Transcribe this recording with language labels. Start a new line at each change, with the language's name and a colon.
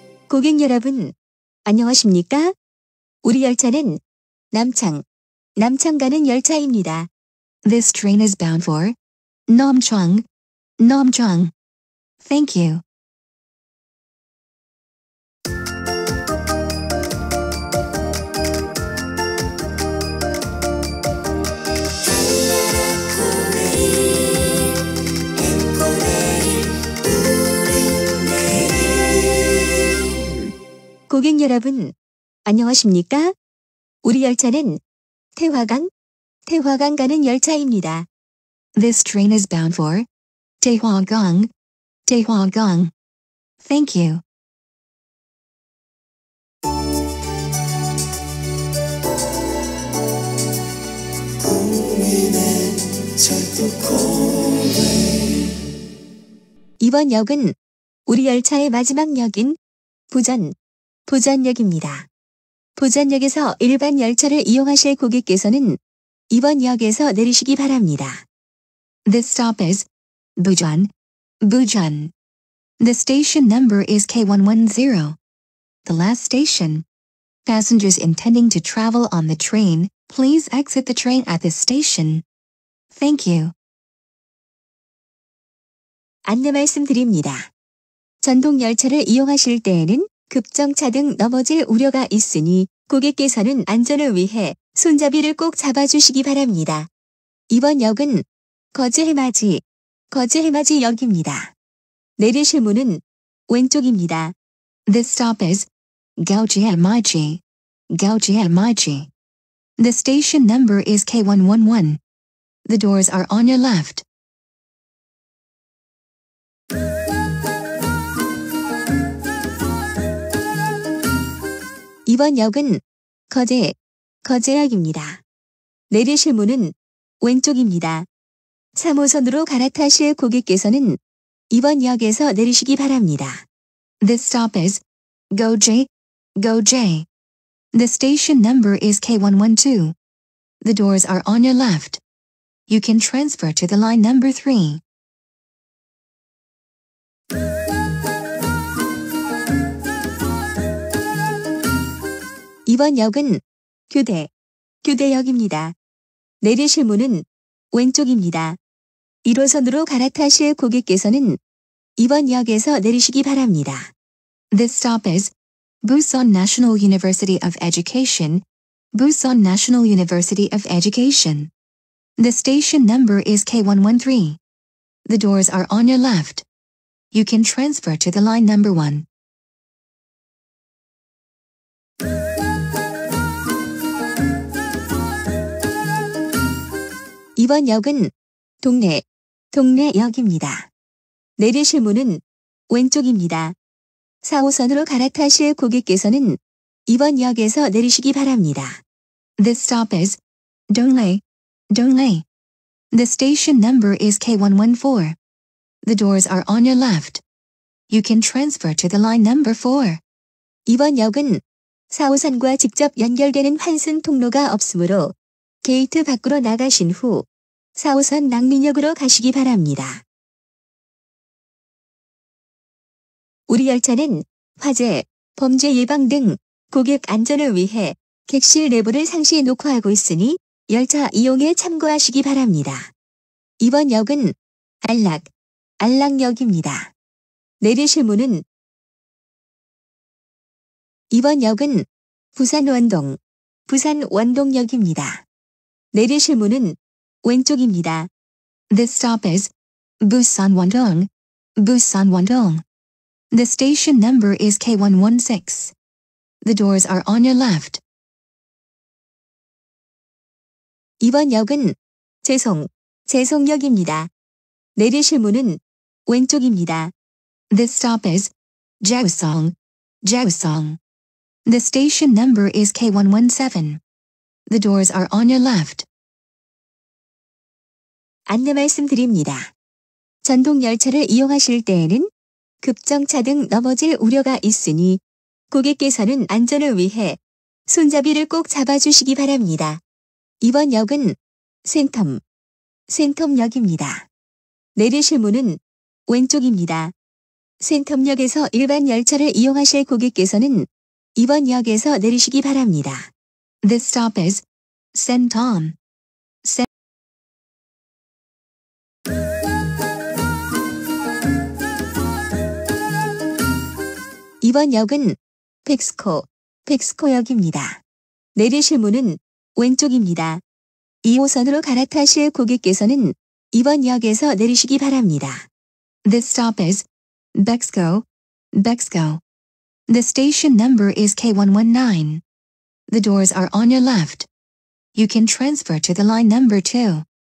Korean: 고객 여러분, 안녕하십니까? 우리 열차는 남창, 남창 가는 열차입니다.
English: This train is bound for 남창, 남창. Thank you.
Korean: 고객 여러분, 안녕하십니까? 우리 열차는 태화강, 태화강 가는 열차입니다.
English: This train is bound for 태화강, 태화강. Thank you.
Korean: 이번 역은 우리 열차의 마지막 역인 부전. 부전역입니다. 부전역에서 일반 열차를 이용하실 고객께서는 이번 역에서 내리시기 바랍니다.
English: This stop is 부전, 부전. The station number is K110. The last station. Passengers intending to travel on the train, please exit the train at this station. Thank you.
Korean: 안내 말씀드립니다. 전동 열차를 이용하실 때에는 급정차 등 넘어질 우려가 있으니 고객께서는 안전을 위해 손잡이를 꼭 잡아주시기 바랍니다. 이번 역은 거제해맞이 역입니다. 내리실 문은 왼쪽입니다.
English: The stop is 거제해맞이, 거제해맞이. The station number is K111. The doors are on your left.
Korean: 이번 역은 거제역입니다. 내리실 문은 왼쪽입니다. 3호선으로 갈아타실 고객께서는 이번 역에서 내리시기 바랍니다.
English: This stop is 거제, 거제. The station number is K112. The doors are on your left. You can transfer to the line number 3.
Korean: 이번 역은 교대역입니다. 내리실 문은 왼쪽입니다. 1호선으로 갈아타실 고객께서는 이번 역에서 내리시기 바랍니다.
English: This stop is Busan National University of Education. Busan National University of Education. The station number is K113. The doors are on your left. You can transfer to the line number 1.
Korean: 이번 역은 동네, 동네 역입니다. 내리실 문은 왼쪽입니다. 4호선으로 갈아타실 고객께서는 이번 역에서 내리시기 바랍니다.
English: The stop is Dongle. Dongle. The station number is K114. The doors are on your left. You can transfer to the line number 4.
Korean: 이번 역은 4호선과 직접 연결되는 환승 통로가 없으므로 게이트 밖으로 나가신 후 4호선 낙민역으로 가시기 바랍니다. 우리 열차는 화재, 범죄 예방 등 고객 안전을 위해 객실 내부를 상시 녹화하고 있으니 열차 이용에 참고하시기 바랍니다. 이번 역은 안락, 안락역입니다. 내리실 문은 이번 역은 부산 원동, 부산 원동역입니다. 내리실 문은 왼쪽입니다.
English: This stop is Busan Wandong, Busan Wandong. The station number is K116. The doors are on your left.
Korean: 이번 역은 재송, 재송역입니다. 내리실 문은 왼쪽입니다.
English: This stop is Jaesong, Jaesong. The station number is K117. The doors are on your left.
Korean: 안내 말씀드립니다. 전동 열차를 이용하실 때에는 급정차 등 넘어질 우려가 있으니 고객께서는 안전을 위해 손잡이를 꼭 잡아주시기 바랍니다. 이번 역은 센텀, 센텀역입니다. 내리실 문은 왼쪽입니다. 센텀역에서 일반 열차를 이용하실 고객께서는 이번 역에서 내리시기 바랍니다.
English: This stop is Centom.
Korean: 이번 역은 펙스코, 펙스코역입니다. 내리실 문은 왼쪽입니다. 2호선으로 갈아타실 고객께서는 이번 역에서 내리시기 바랍니다.
English: This stop is Bexco, Bexco. The station number is K119. The doors are on your left. You can transfer to the line number 2.